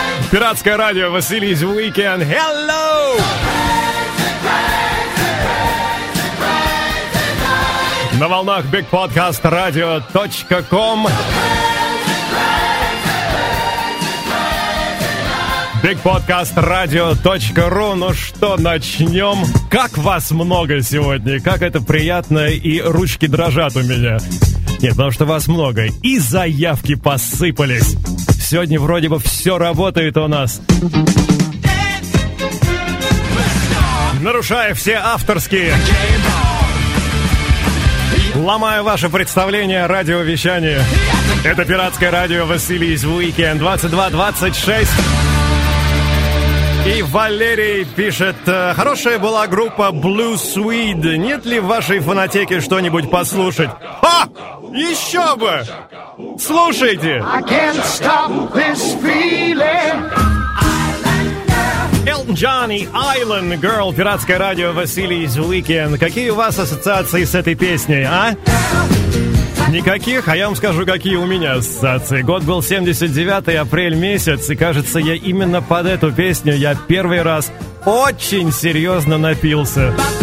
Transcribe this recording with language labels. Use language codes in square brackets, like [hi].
[ru] Пиратское радио, Vasily's Weekend, hello! На волнах bigpodcastradio.com. bigpodcastradio.ru. Ну что, начнем? Как вас много сегодня? Как это приятно, и ручки дрожат у меня. Нет, потому что вас много, и заявки посыпались. Сегодня вроде бы все работает у нас. Нарушая все авторские, ломая ваше представление о радиовещании. Это пиратское радио Vasily's Weekend 22-26. И Валерий пишет: хорошая была группа Blue Swede. Нет ли в вашей фонотеке что-нибудь послушать? А! Еще бы! Слушайте! [en] I can't stop this feeling. [ru] Элтон Джон и Island Girl, пиратское радио Vasily's Weekend. Какие у вас ассоциации с этой песней, а? Никаких, а я вам скажу, какие у меня ассоциации. Год был 79-й, апрель месяц, и кажется, я именно под эту песню я первый раз очень серьезно напился.